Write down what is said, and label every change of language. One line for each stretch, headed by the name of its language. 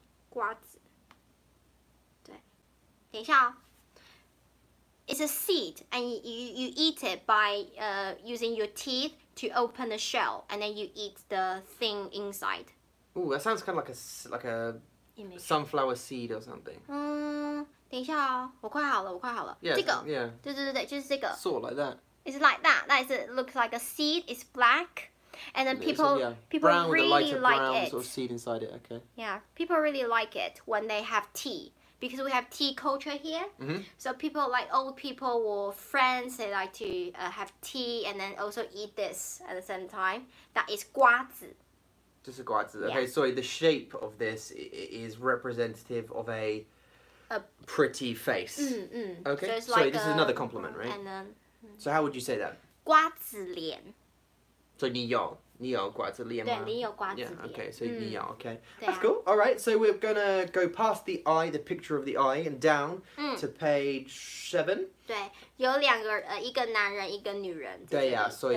Chinese: 瓜子,对,等一下哦。
English: It's a seed, and you eat it by using your teeth to open the shell, and then you eat the thing inside. Ooh, that sounds kind of like a sunflower seed or something.
Chinese: 等一下哦，我快好了，我快好了。这个，对对对对，就是这个.
English: Sort like that. It's like that. That is, it looks like a seed. It's black, and then people really like it. Sort of seed inside it. Okay. Yeah, people really like it when they have tea. Because we have tea culture here, so people like old people or friends, they like to have tea and then also eat this at the same time. That is 瓜子. Just a 瓜子. Okay, yeah. So the shape of this is representative of a pretty face. Okay, so like this is another compliment, right? And then, So how would you say that?
Chinese: 瓜子脸. So 你有.你有瓜子脸吗? 对,你有瓜子脸。
English: Yeah, okay, so
Chinese: 你有,
English: okay. That's cool. Alright, so we're gonna go past the eye, the picture of the eye, and down to page 7.
Chinese: 对,有两个,一个男人,一个女人。对呀,所以